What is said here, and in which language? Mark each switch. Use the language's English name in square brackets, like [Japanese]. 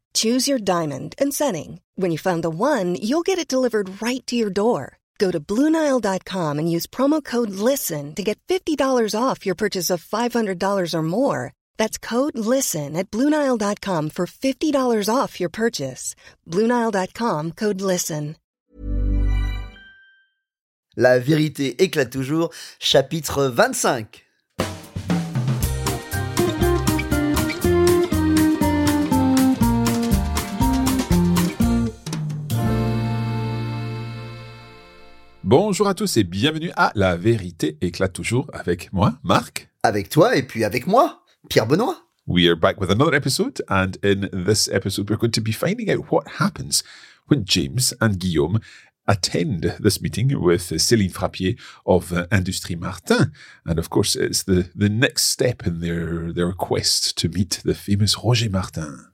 [English] Choose your diamond and setting. When you find the one, you'll get it delivered right to your door. Go to BlueNile.com and use promo code LISTEN to get $50 off your purchase of $500 or more. That's code LISTEN at BlueNile.com for $50 off your purchase. BlueNile.com, code LISTEN. [French] La vérité éclate toujours, chapitre 25. Bonjour à tous et bienvenue à La vérité éclate toujours avec moi, Marc. Avec toi et puis avec moi, Pierre Benoît. [English] We are back with another episode, and in this episode we're going to be finding out what happens when James and Guillaume attend this meeting with Céline Frappier of Industrie Martin. And of course, it's the next step in their quest to meet the famous Roger Martin.